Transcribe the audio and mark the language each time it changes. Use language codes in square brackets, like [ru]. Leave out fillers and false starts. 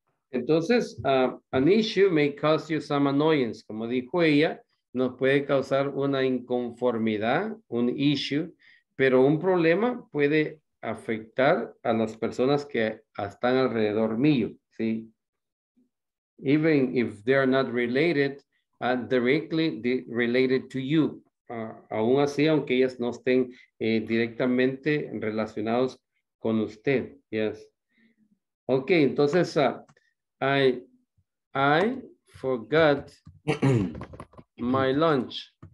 [es] Entonces, [en] an issue may cause you some annoyance. [es] Como dijo ella, nos puede causar una inconformidad, un issue, pero un problema puede afectar a las personas que están alrededor mío. [en] See? Even if they are not related, directly related to you. [es] Aún así, aunque ellas no estén directamente relacionados con usted. [en] Yes. Ok, [es] entonces, [en] I forgot my lunch.